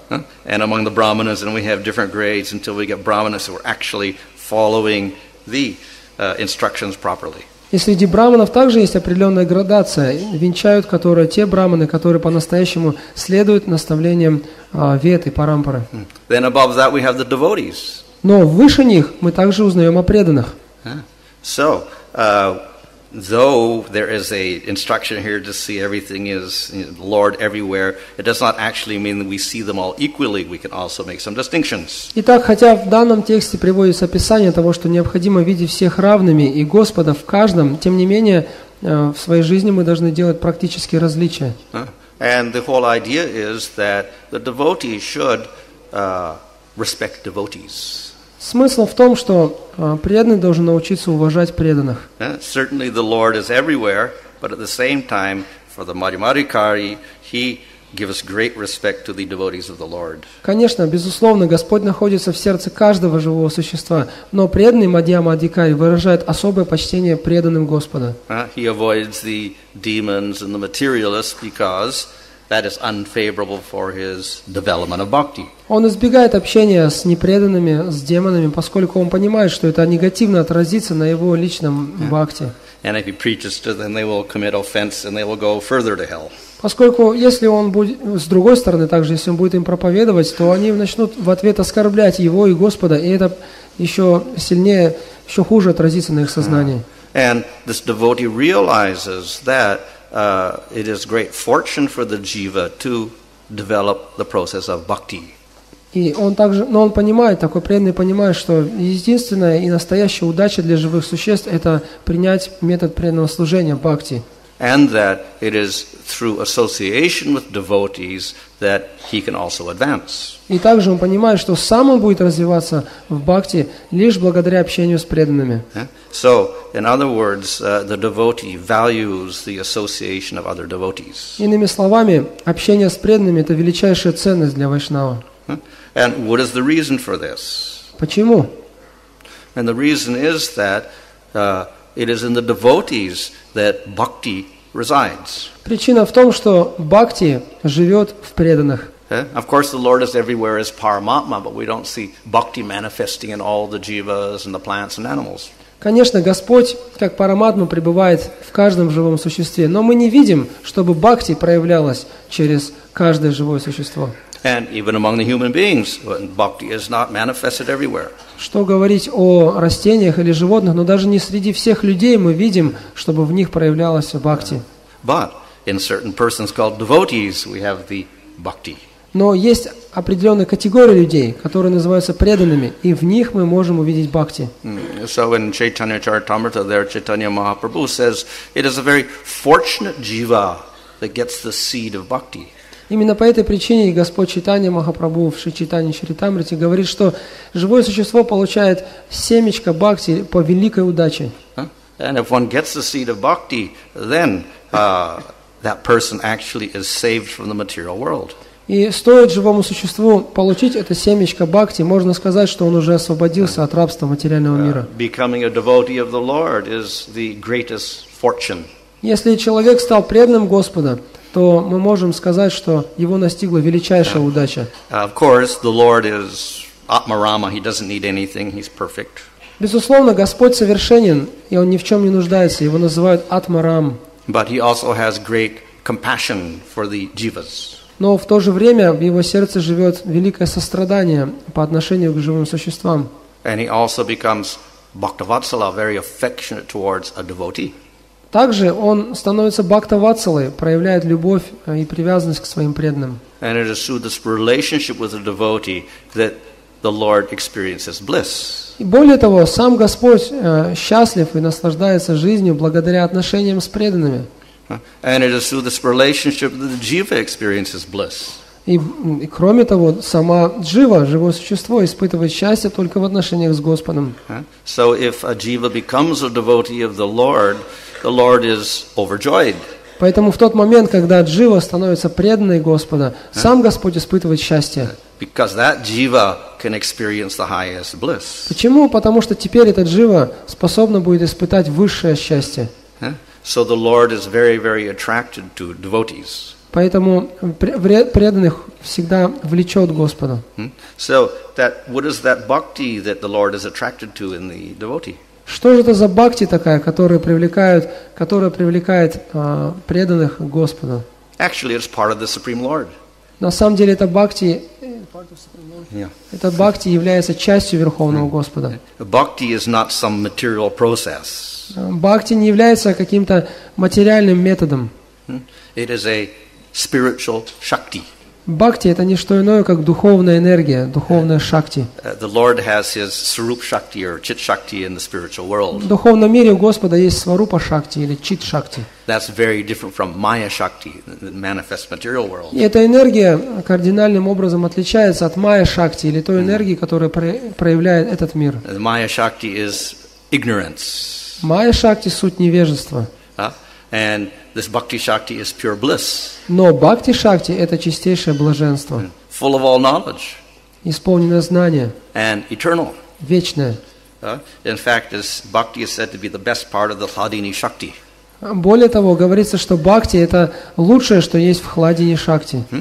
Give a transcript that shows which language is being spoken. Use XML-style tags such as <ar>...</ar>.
<en>And among the brahmanas and we have different grades until we get brahmanas who are actually following the instructions properly.</en> <ru>И среди браманов также есть определенная градация, венчают которые те браманы, которые по-настоящему следуют наставлениям Вед и Парампары.</ru> <en>Then above that we have the devotees.</en> <ru>Но выше них мы также узнаем о преданных.</ru> <en>So, though there is a instruction here to see everything is Lord everywhere, it does not actually mean that we see them all equally. We can also make some distinctions.</en> <ru>Итак, хотя в данном тексте приводится описание того, что необходимо видеть всех равными и Господа в каждом, тем не менее в своей жизни мы должны делать практические различия.</ru> <en>And the whole idea is that the devotee should respect devotees.</en> <ru>Смысл в том, что преданный должен научиться уважать преданных.</ru> <en>Certainly the Lord is everywhere, but at the same time, for the Madhyamadhikari, he gives great respect to the devotees of the Lord.</en> <ru>Конечно, безусловно, Господь находится в сердце каждого живого существа, но преданный Мадхьямадхикари выражает особое почтение преданным Господа.</ru> <en>He avoids the demons and the materialists because that is unfavorable for his development of bhakti.</en> <ru>Он избегает общения с непреданными, с демонами, поскольку он понимает, что это негативно отразится на его личном бхакти.</ru> <en>And if he preaches to them, they will commit offense and they will go further to hell.</en> <ru>Поскольку если он будет с другой стороны, также если он будет им проповедовать, то они начнут в ответ оскорблять его и Господа, и это еще сильнее, еще хуже отразится на их сознании.</ru> <en>And this devotee realizes that it is great fortune for the jiva to develop the process of bhakti.</en> <ru>И он также, но он понимает, такой преданный понимает, что единственная и настоящая удача для живых существ – это принять метод преданного служения бхакти.</ru> <en>And that it is through association with devotees that he can also advance.</en> <ru>И также он понимает, что сам он будет развиваться в бхакти лишь благодаря общению с преданными.</ru> <en>So, in other words, the devotee values the association of other devotees.</en> <ru>Иными словами, общение с преданными – это величайшая ценность для вайшнава.</ru> <en>And what is the reason for this?</en> <ru>Почему?</ru> <en>And the reason is that it is in the devotees that bhakti resides.</en> <ru>Причина в том, что бхакти живет в преданных.</ru> <en>Of course, the Lord is everywhere as Paramatma, but we don't see bhakti manifesting in all the jivas and the plants and animals.</en> <ru>Конечно, Господь, как Параматма, пребывает в каждом живом существе, но мы не видим, чтобы бхакти проявлялась через каждое живое существо.</ru> <en>And even among the human beings, bhakti is not manifested everywhere.</en> <ru>Что говорить о растениях или животных, но даже не среди всех людей мы видим, чтобы в них проявлялась бхакти.</ru> <en>But in certain persons called devotees, we have the bhakti.</en> <ru>Но есть определенная категория людей, которые называются преданными, и в них мы можем увидеть бхакти.</ru> <en>So in Chaitanya Charitamrita, there Chaitanya Mahaprabhu says, it is a very fortunate jiva that gets the seed of bhakti.</en> <ru>Именно по этой причине Господь Чайтанья Махапрабху в Шри Чайтанья Чаритамрите говорит, что живое существо получает семечко бхакти по великой удаче.</ru> <en>And if one gets the seed of bhakti, then that person actually is saved from the material world.</en> <ru>И стоит живому существу получить это семечко бхакти, можно сказать, что он уже освободился от рабства материального мира.</ru> <en>Becoming a devotee of the Lord is the greatest fortune.</en> <ru>Если человек стал преданным Господа, то мы можем сказать, что его настигла величайшая удача.</ru> <en>Of course, the Lord is Atmarama. He doesn't need anything. He's perfect.</en> <ru>Безусловно, Господь совершенен, и он ни в чем не нуждается. Его называют Атмарам.</ru> <en>But he also has great compassion for the jivas.</en> <ru>Но в то же время в его сердце живет великое сострадание по отношению к живым существам.</ru> <en>And he also becomes Bhaktavatsala, very affectionate towards a devotee.</en> <ru>Также он становится бхакта-ватсалой, проявляет любовь и привязанность к своим преданным.</ru> <en>And it is through this relationship with a devotee that the Lord experiences bliss.</en> <ru>И более того, сам Господь счастлив и наслаждается жизнью благодаря отношениям с преданными.</ru> <en>And it is through this relationship that the jiva experiences bliss.</en> <ru>И кроме того, сама джива, живое существо, испытывает счастье только в отношениях с Господом.</ru> <en>So if a jiva becomes a devotee of the Lord is overjoyed.</en> <ru>Поэтому в тот момент, когда джива становится преданной Господа, сам Господь испытывает счастье.</ru> <en>Because that jiva can experience the highest bliss.</en> <ru>Почему? Потому что теперь эта джива способна будет испытать высшее счастье.</ru> <en>So the Lord is very, very attracted to devotees.</en> <ru>Поэтому преданных всегда влечет Господу.</ru> <en>So that what is that bhakti that the Lord is attracted to in the devotee?</en> <ru>Что же это за бхакти такая, которая привлекает преданных Господу?</ru> <en>Actually, it's part of the Supreme Lord.</en> <ru>На самом деле это бхакти.</ru> <en>Yeah.</en> <ru>Это бхакти является частью Верховного Господа.</ru> <en>Bhakti is not some material process.</en> <ru>Бхакти не является каким-то материальным методом.</ru> <en>It is a spiritual shakti.</en> <ru>Бхакти это не что иное, как духовная энергия, духовная шакти.</ru> <en>The Lord has his sarupa shakti or chit shakti in the spiritual world.</en> <ru>В духовном мире у Господа есть сварупа шакти или чит шакти.</ru> <en>That's very different from maya shakti, the manifest material world.</en> <ru>И эта энергия кардинальным образом отличается от maya shakti или той энергии, которая проявляет этот мир.</ru> <en>The maya shakti is ignorance.</en> <ru>Maya shakti суть невежества.</ru> <en>And this bhakti shakti is pure bliss.</en> <ru>Но бхакти шакти это чистейшее блаженство.</ru> <en>Full of all knowledge.</en> <ru>Исполненное знание.</ru> <en>And eternal.</en> <ru>Вечное.</ru> <en>In fact, this bhakti is said to be the best part of the hladini shakti.</en> <ru>Более того, говорится, что бхакти это лучшее, что есть в хладини шакти.</ru>